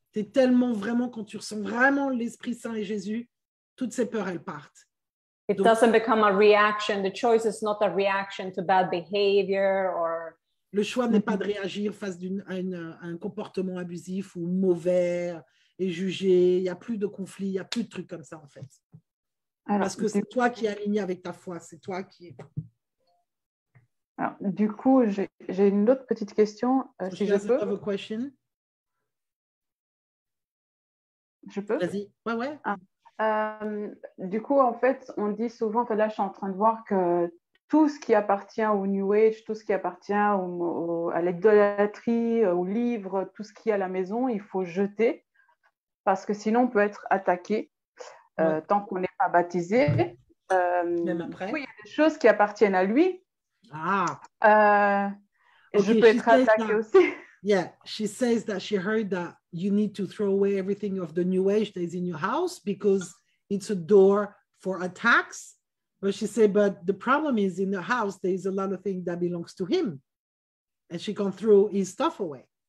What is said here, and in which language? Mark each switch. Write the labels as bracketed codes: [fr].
[fr] T'es tellement vraiment, quand tu ressens vraiment l'Esprit Saint et Jésus, toutes ces peurs, elles partent. [en] It donc, doesn't become a reaction. The choice is not a reaction to bad behavior or. [fr] Le choix n'est pas de réagir face à un comportement abusif ou mauvais et jugé. Il n'y a plus de conflit, il n'y a plus de trucs comme ça en fait. Alors, parce que c'est toi qui es aligné avec ta foi, c'est toi qui es. Alors, du coup, j'ai une autre petite question, si je peux. [en] Have a question. [fr] Je peux. Vas-y. Ouais, ouais. Ah. Du coup, en fait, on dit souvent que là, je suis en train de voir que tout ce qui appartient au New Age, tout ce qui appartient à l'idolâtrie, aux livres, tout ce qui est à la maison, il faut jeter parce que sinon, on peut être attaqué ouais. Tant qu'on n'est pas baptisé. Même après. Il y a des choses qui appartiennent à lui. [en] Yeah, she says that she heard that you need to throw away everything of the New Age that is in your house because it's a door for attacks. But she said, but the problem is in the house there is a lot of things that belongs to him, and she can throw his stuff away.